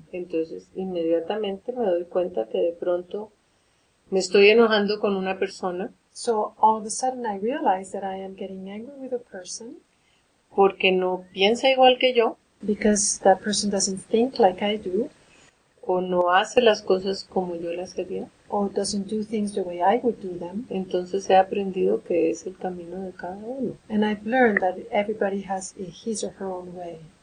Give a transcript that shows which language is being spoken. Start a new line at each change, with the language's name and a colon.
Spanish: Entonces, inmediatamente me doy cuenta que de pronto me estoy enojando con una persona.
English: So, all of a sudden I realize that I am getting angry with a person.
Spanish: Porque no piensa igual que yo.
English: Because that person doesn't think like I do.
Spanish: O no hace las cosas como yo las haría.
English: Or doesn't do things the way I would do them.
Spanish: Entonces he aprendido que es el camino de cada uno.
English: And I've learned that everybody has his or her own way.